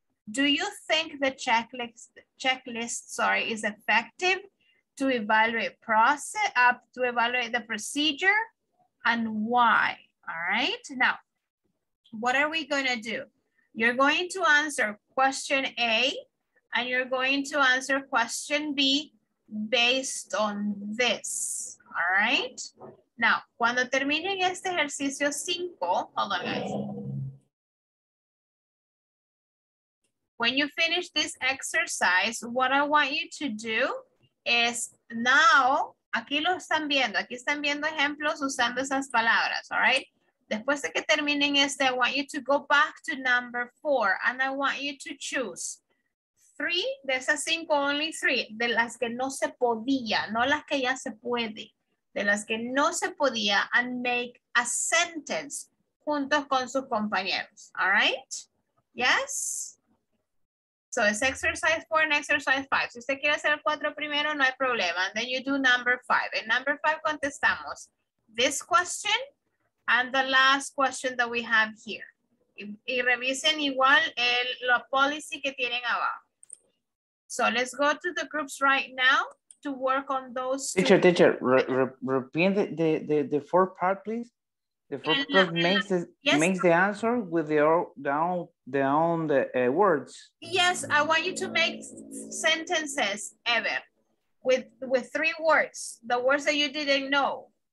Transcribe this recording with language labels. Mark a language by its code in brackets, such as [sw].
[en] Do you think the checklist is effective to evaluate process up to evaluate the procedure and why? All right, now, what are we gonna do? You're going to answer question A and you're going to answer question B based on this, all right? [es] Now, cuando terminen este ejercicio 5, [en] hold on guys. When you finish this exercise, what I want you to do is now, [es] aquí lo están viendo, aquí están viendo ejemplos usando esas palabras, [en] all right? [es] Después de que terminen este, [en] I want you to go back to number four and I want you to choose three, [es] de esas cinco, [en] only three, [es] de las que no se podía, no las que ya se puede, de las que no se podía, [en] and make a sentence [es] juntos con sus compañeros, [en] all right? Yes? So it's exercise four and exercise five. [es] Si usted quiere hacer cuatro primero, no hay problema. [en] And then you do number five. In number five, [es] contestamos [en] this question and the last question that we have here. [es] Y revisen igual el, la policy que tienen abajo. [en] So let's go to the groups right now to work on those. Teacher, teacher, repeat the fourth part, please. The fourth part makes the answer with the words. Yes, I want you to make sentences ever with three words, the words that you didn't know.